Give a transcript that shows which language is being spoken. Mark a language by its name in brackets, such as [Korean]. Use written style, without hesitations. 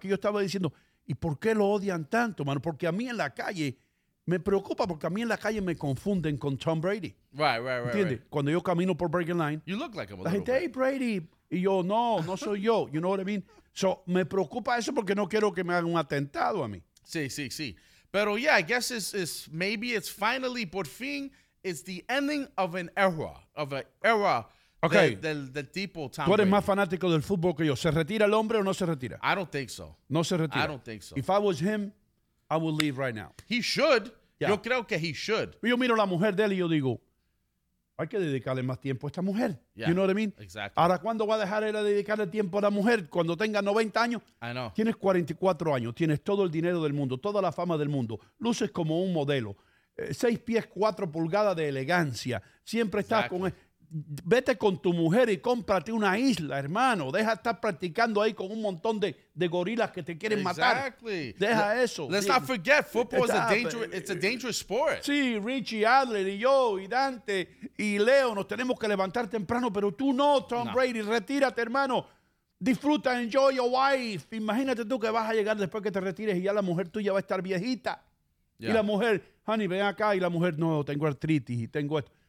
[Spanish] Aquí yo estaba diciendo, ¿y por qué lo odian tanto, mano? Porque a mí en la calle me preocupa, porque a mí en la calle me confunden con Tom Brady. [English] Right. [Spanish] ¿Entiendes? [English] Right. [Spanish] Cuando yo camino por Breaking Line, [English] you look like him a [Spanish] la gente, [English] bit. Hey, Brady. Y yo, no soy yo. You know what I mean? [Spanish] So, me preocupa eso porque no quiero que me hagan un atentado a mí. Sí. [English] Pero, yeah, I guess it's maybe it's finally, por fin, it's the ending of an era. Of an era. Okay. [Spanish] Del tipo Tom Brady. ¿Tú eres más fanático del fútbol que yo? ¿Se retira el hombre o no se retira? [English] I don't think so. [Spanish] No se retira. [English] I don't think so. If I was him, I would leave right now. He should. Yeah. Yo creo que he should. [Spanish] Yo miro a la mujer de él y yo digo, hay que dedicarle más tiempo a esta mujer. [English] Yeah. You know what I mean? Exactly. [Spanish] ¿Ahora cuándo va a dejar él a dedicarle tiempo a la mujer? Cuando tenga 90 años. I know. Tienes 44 años. Tienes todo el dinero del mundo. Toda la fama del mundo. Luces como un modelo. 6 pies, 4 pulgadas de elegancia. Siempre estás con él. Vete con tu mujer y cómprate una isla, hermano. Deja de estar practicando ahí con un montón de gorilas que te quieren matar. [English] Exactly. [Spanish] Deja eso. [English] Let's not forget, football is a dangerous, it's a dangerous sport. [Spanish] Sí, Richie, Adler y yo, y Dante, y Leo, nos tenemos que levantar temprano, pero tú no, Tom Brady, retírate, hermano. Disfruta, enjoy your wife. Imagínate tú que vas a llegar después que te retires y ya la mujer tuya va a estar viejita. [English] Yeah. [Spanish] Y la mujer, honey, ven acá, y la mujer, no, tengo artritis y tengo esto.